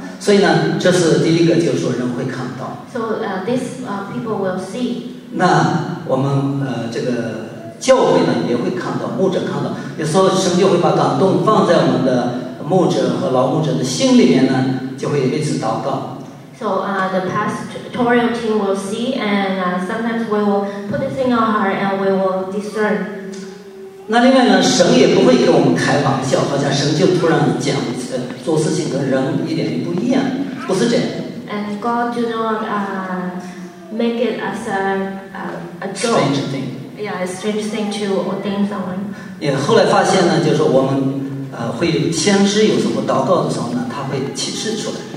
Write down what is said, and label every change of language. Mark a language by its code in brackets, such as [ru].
[zh] 所以呢，这是第一个，就是说人会看到。 [en] So people will see. [zh] 那我们这个。教会呢也会看到，牧者看到，有时候神就会把感动放在我们的牧者和老牧者的心里面呢，就会为此祷告。 [en] So the pastoral team will see, and sometimes we will put this in our heart and we will discern. [zh] 那另外呢，神也不会给我们开玩笑，好像神就突然讲做事情跟人一点不一样，不是这样。 [en] And God do not make it as a joke. Strange thing. Yeah, it's a strange thing to ordain someone. [zh] 也后来发现呢，就是我们会先知有什么祷告的时候呢，他会启示出来。